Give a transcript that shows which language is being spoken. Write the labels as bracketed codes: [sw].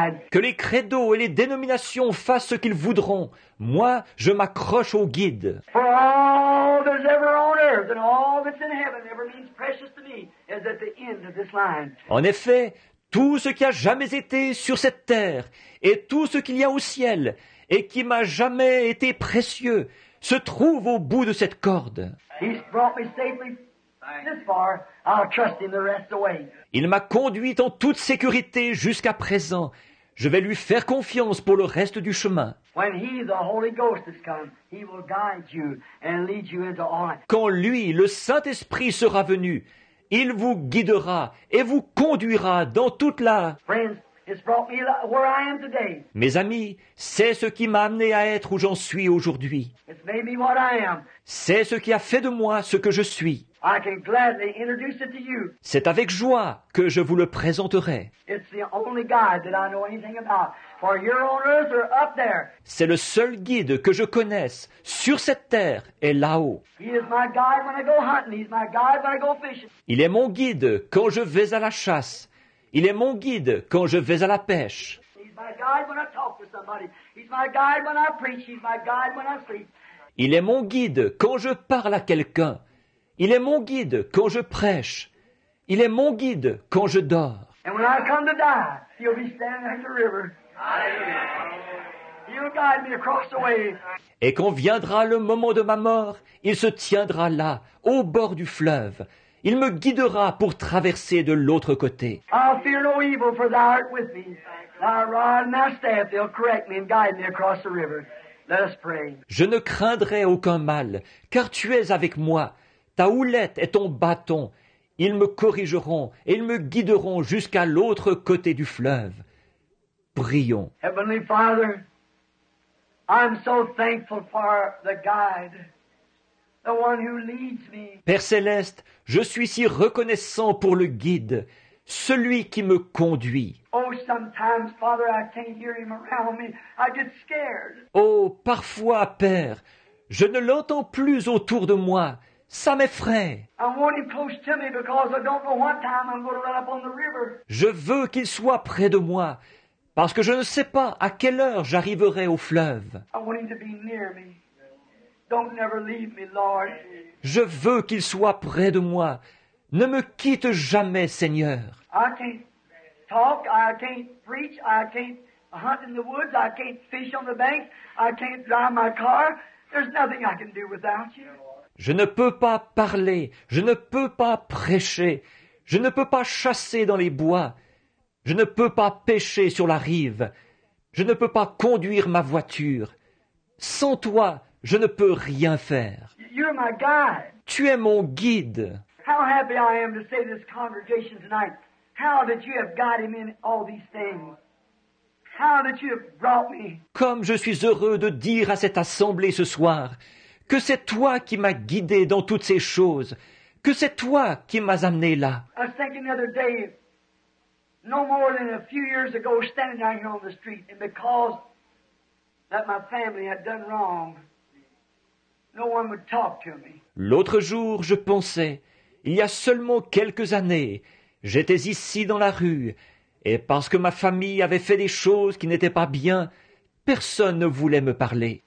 [fr] Que les credos et les dénominations fassent ce qu'ils voudront. Moi, je m'accroche au guide. [en] For all that's ever on earth and all that's in heaven ever means precious to me is at the end of this line. [fr] En effet, tout ce qui a jamais été sur cette terre et tout ce qu'il y a au ciel et qui m'a jamais été précieux se trouve au bout de cette corde. [en] He's brought me safely. This far, I'll trust him the rest away. [fr] Il m'a conduit en toute sécurité jusqu'à présent. Je vais lui faire confiance pour le reste du chemin. [en] When he, the Holy Ghost, has come, he will guide you and lead you into all. [fr] Quand lui, le Saint-Esprit, sera venu, il vous guidera et vous conduira dans toute la. [en] Friends, it's brought me where I am today. [fr] Mes amis, c'est ce qui m'a amené à être où j'en suis aujourd'hui. [en] It's made me what I am. [fr] C'est ce qui a fait de moi ce que je suis. [en] I can gladly introduce it to you. [fr] C'est avec joie que je vous le présenterai. [en] It's the only guide that I know anything about. For your own earth are up there. [fr] C'est le seul guide que je connaisse sur cette terre et là-haut. [en] He is my guide when I go hunting. He's my guide when I go fishing. [fr] Il est mon guide quand je vais à la chasse. Il est mon guide quand je vais à la pêche. [en] He's my guide when I talk to somebody. He's my guide when I preach. He's my guide when I sleep. [fr] Il est mon guide quand je parle à quelqu'un. Il est mon guide quand je prêche. Il est mon guide quand je dors. [en] And when I come to die, he'll be standing at the river. He'll guide me across the way. [fr] Et quand viendra le moment de ma mort, il se tiendra là, au bord du fleuve. Il me guidera pour traverser de l'autre côté. [en] I'll fear no evil, for thou art with me. Thy rod and thy staff, they'll correct me and guide me across the river. Let us pray. [fr] Je ne craindrai aucun mal, car tu es avec moi. Ta houlette et ton bâton, ils me corrigeront et ils me guideront jusqu'à l'autre côté du fleuve. Prions. [en] Heavenly Father, I'm so thankful for the guide, the one who leads me. [fr] Père Céleste, je suis si reconnaissant pour le guide, celui qui me conduit. [en] Oh, sometimes, Father, I can't hear him around me. I get scared. [fr] Oh, parfois, Père, je ne l'entends plus autour de moi. Ça m'effraie. [en] I want him close to me because I don't know what time I'm going to run up on the river. [fr] Je veux qu'il soit près de moi parce que je ne sais pas à quelle heure j'arriverai au fleuve. [en] I want him to be near me. Don't never leave me, Lord. [fr] Je veux qu'il soit près de moi. Ne me quitte jamais, Seigneur. [en] I can't talk, I can't preach, I can't hunt in the woods, I can't fish on the bank, I can't drive my car. There's nothing I can do without you. [fr] Je ne peux pas parler, je ne peux pas prêcher, je ne peux pas chasser dans les bois, je ne peux pas pêcher sur la rive, je ne peux pas conduire ma voiture. Sans toi, je ne peux rien faire. [en] You're my guide. [fr] Tu es mon guide. [en] How happy I am to see this congregation tonight. How that you have guided me in all these things. How that you have brought me. [fr] Comme je suis heureux de dire à cette assemblée ce soir que c'est toi qui m'as guidé dans toutes ces choses, que c'est toi qui m'as amené là. [en] I was thinking the other day, no more than a few years ago, standing down here on the street, and because that my family had done wrong, no one would talk to me. [fr] L'autre jour, je pensais, il y a seulement quelques années, j'étais ici dans la rue, et parce que ma famille avait fait des choses qui n'étaient pas bien, personne ne voulait me parler.